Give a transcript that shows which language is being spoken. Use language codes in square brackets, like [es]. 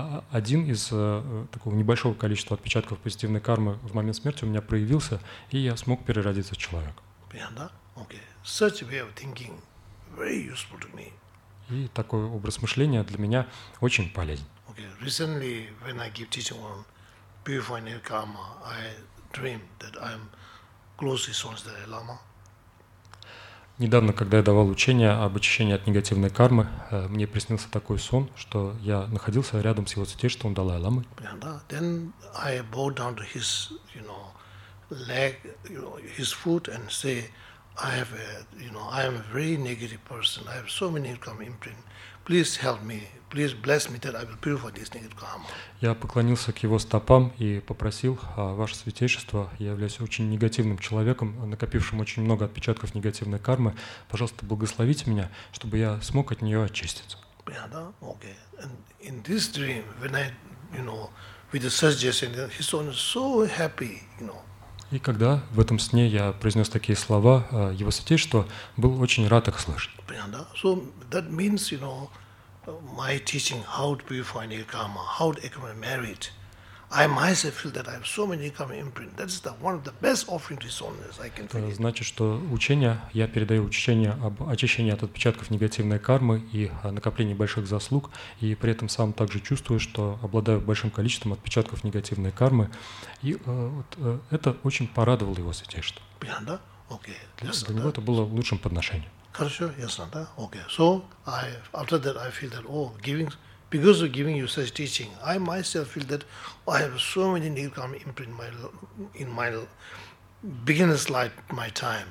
[ru] Один из такого небольшого количества отпечатков позитивной кармы в момент смерти у меня проявился, и я смог переродиться в человека. Понятно? [en] Okay. Such a way of thinking very useful to me. [ru] И такой образ мышления для меня очень полезен. [en] Okay. Recently, when I give teaching on purifying your karma, I dream that I'm closely associated with the Lama. [ru] Недавно, когда я давал учение об очищении от негативной кармы, мне приснился такой сон, что я находился рядом с его святейшеством Далай Ламой. [en] Yeah, then I bow down to his, you know, leg, you know, his foot, and say, I have a, you know, I am a very negative person. I have so many karma imprint. Please help me. Please bless me that I will purify this negative karma. [ru] Я поклонился к его стопам и попросил, ваше святейшество, я являюсь очень негативным человеком, накопившим очень много отпечатков негативной кармы. Пожалуйста, благословите меня, чтобы я смог от нее очиститься. [en] Yeah, [ru] да? [en] Okay. And in this dream, when I, you know, with the suggestion, his son is so happy, you know. [ru] И когда в этом сне я произнес такие слова, его святейшество был очень рад их слышать. [en] Yeah, [ru] да? [en] So that means, you know, my teaching how to purify your karma, how to accumulate merit. I myself feel that I have so many karma imprint. That's the one of the best offering to His Holiness I can forget. [ru] Значит, что учение, я передаю учение об очищении от отпечатков негативной кармы и накоплении больших заслуг, и при этом сам также чувствую, что обладаю большим количеством отпечатков негативной кармы, и это очень порадовало его святейшество. Понятно, да? Окей. Для него это было лучшим подношением. Хорошо, ясно, да? Окей. [en] So, I, after that, I feel that, oh, giving... Because of giving you such teaching, I myself feel that I have so many negative karma imprint in my beginner's life, my time.